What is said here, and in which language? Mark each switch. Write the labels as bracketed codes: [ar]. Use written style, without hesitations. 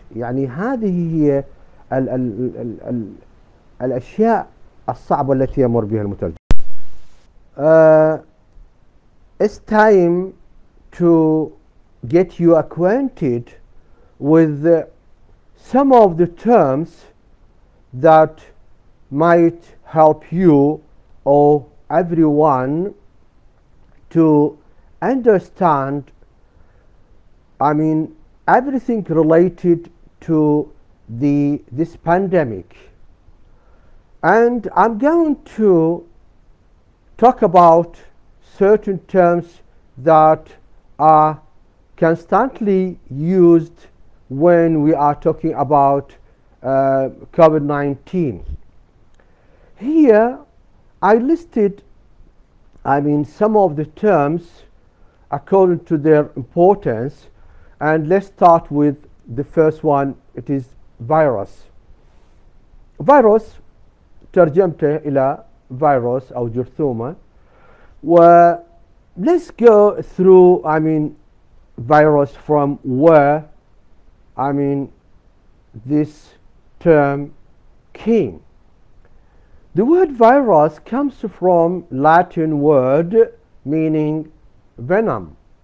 [ar] يعني هذه هي الـ الـ الـ الـ الأشياء الصعبة التي يمر بها المترجم. [en] It's time to get you acquainted with some of the terms that might help you or everyone to understand, I mean, everything related to this pandemic. And I'm going to talk about certain terms that are constantly used when we are talking about COVID-19. Here I listed, I mean, some of the terms according to their importance, and let's start with the first one. It is virus. [ar] Virus, ترجمته إلى virus أو جرثومة. [en] Well, let's go through, I mean, virus from where, I mean, this term came. The word virus comes from Latin word meaning venom,